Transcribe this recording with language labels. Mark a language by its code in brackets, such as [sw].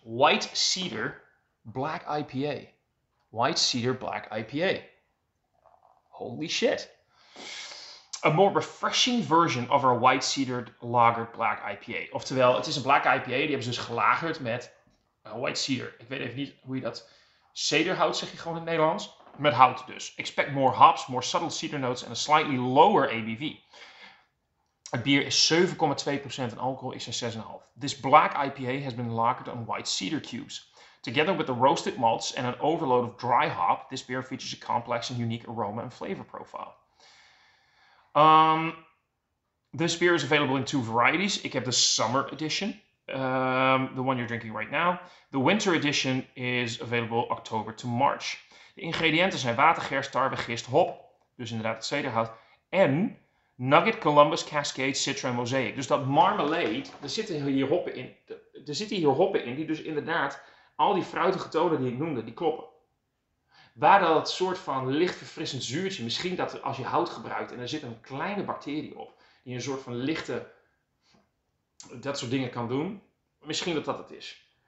[en] White Cedar Black IPA. White Cedar Black IPA. Holy shit. A more refreshing version of our White Cedar Lager Black IPA. [nl] Oftewel, het is een Black IPA. Die hebben ze dus gelagerd met White Cedar. Ik weet even niet hoe je dat... Cederhout zeg je gewoon in het Nederlands. Met hout dus. [en] Expect more hops, more subtle cedar notes and a slightly lower ABV. [nl] Het bier is 7,2% en alcohol is 6,5%. [en] This black IPA has been lagered on white cedar cubes. Together with the roasted malts and an overload of dry hop, this beer features a complex and unique aroma and flavor profile. This beer is available in two varieties. [nl] Ik heb de [en] summer edition, the one you're drinking right now. The winter edition is available October to March. [nl] De ingrediënten zijn water, gerst, tarwe, gist, hop, dus inderdaad het cederhout, en Nugget, Columbus, Cascade, Citra en Mosaic. Dus dat marmalade, er zitten hier hoppen in die dus inderdaad al die fruitige tonen die ik noemde, die kloppen. Waar dat soort van licht verfrissend zuurtje, misschien dat als je hout gebruikt en er zit een kleine bacterie op, die een soort van lichte, dat soort dingen kan doen, misschien dat dat het is.